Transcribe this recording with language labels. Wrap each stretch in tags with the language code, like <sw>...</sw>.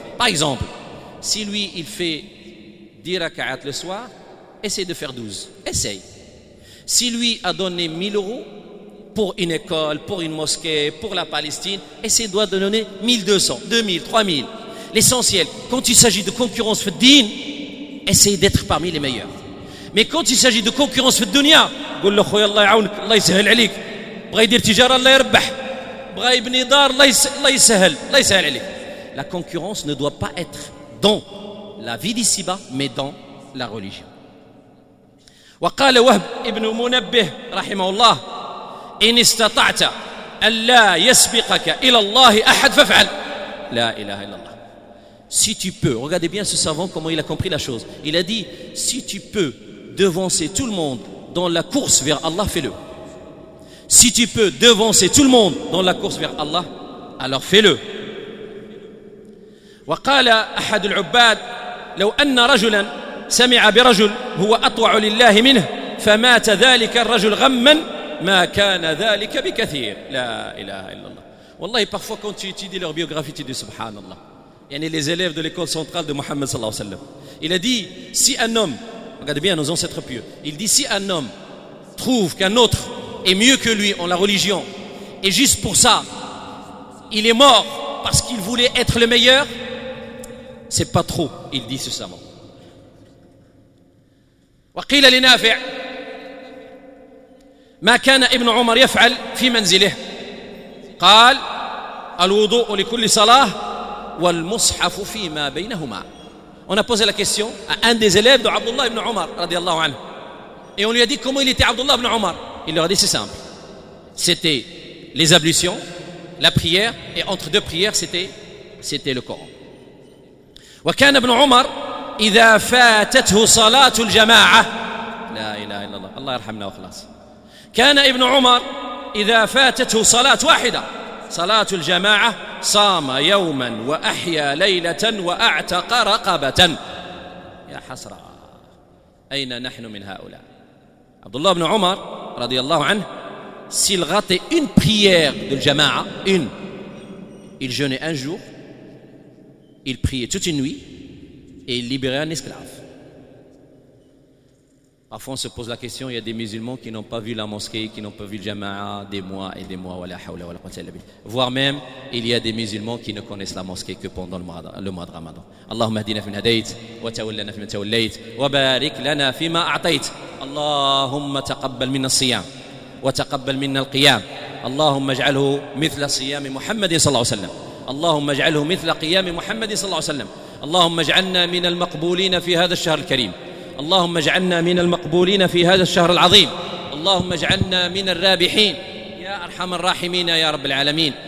<fr>Par exemple, si lui il fait 10 raka'at le soir, essaye de faire 12, essaye. Si lui a donné 1000 euros pour une école, pour une mosquée, pour la Palestine, essaye de donner 1200, 2000, 3000. L'essentiel, quand il s'agit de concurrence</fr> <ar>fiddin,</ar> <fr>essaye d'être parmi les meilleurs. Mais quand il s'agit de concurrence</fr> <ar>في الدنيا, قول له خويا الله يعاونك الله يسهل عليك, بغى يدير تجارة الله يربح, بغى يبني دار الله يسهل عليك.</ar> <fr>La concurrence ne doit pas être dans la vie d'ici-bas mais dans la religion.</fr> <ar>وقال وهب ابن منبه رحمه الله: إن استطعت أن لا يسبقك إلى الله أحد ففعل. لا إله إلا الله.</ar> <fr>Si tu peux, regardez bien ce savant comment il a compris la chose. Il a dit, si tu peux devancer tout le monde dans la course vers Allah, fais-le. Si tu peux devancer tout le monde dans la course vers Allah, alors fais-le.</fr> <ar>وقال احد العباد: لو ان رجلا سمع برجل هو اطوع لله منه فمات ذلك الرجل غما ما كان ذلك بكثير. لا اله الا الله. والله</ar> <fr>parfois quand tu étudies leur biographie, tu dis subhanallah.</fr> <ar>يعني</ar> <fr>les élèves de l'école centrale de Mohammed</fr> <ar>sallallahu alayhi wa sallam.</ar> <fr>Il a dit, si un homme, regardez bien nos ancêtres pieux, il dit, si un homme trouve qu'un autre est mieux que lui en la religion et juste pour ça il est mort parce qu'il voulait être le meilleur, c'est pas trop, il dit ce savant.</fr> <ar>وقيل لنافع: ما كان ابن عمر يفعل في منزله؟ قال: الوضوء لكل صلاة والمصحف فيما بينهما.</ar> <fr>On a posé la question à un des élèves de Abdullah ibn Omar</fr> <ar>radiallahu anhu.</ar> <fr>Et on lui a dit comment il était Abdullah ibn Omar. Il leur a dit, c'est simple. C'était les ablutions, la prière, et entre deux prières, c'était le Coran.</fr> <ar>Wa kana ibn Omar idha fatathu salat al-jama'a. La ilaha illallah. Allah yarhamna wa khalas. Kana ibn Omar idha fatathu salat wahida. صلاة الجماعة صام يوما وأحيا ليلة وأعتق رقبة. يا حسرة، أين نحن من هؤلاء؟ عبد الله بن عمر رضي الله عنه</ar> <fr>s'il ratait une prière de jamaa, une, il jeûnait un jour, il priait toute une nuit et il libérait un esclave. Parfois on se pose la question, il y a des musulmans qui n'ont pas vu la mosquée, qui n'ont pas vu le jamaa des mois et des mois, voire même il y a des musulmans qui ne connaissent la mosquée que pendant le mois de Ramadan.</fr> <ar>Allahumma hdina fima hadayt wa tawallana fima tawallayt wa barik lana fima a'tayt. Allahumma taqabbal minna siyam وتقبل منا القيام. اللهم اجعله مثل صيام محمد صلى الله عليه وسلم. اللهم اجعله مثل قيام محمد صلى الله عليه وسلم. اللهم اجعلنا من المقبولين في هذا الشهر الكريم. اللهم اجعلنا من المقبولين في هذا الشهر العظيم. اللهم اجعلنا من الرابحين يا أرحم الراحمين يا رب العالمين.</ar>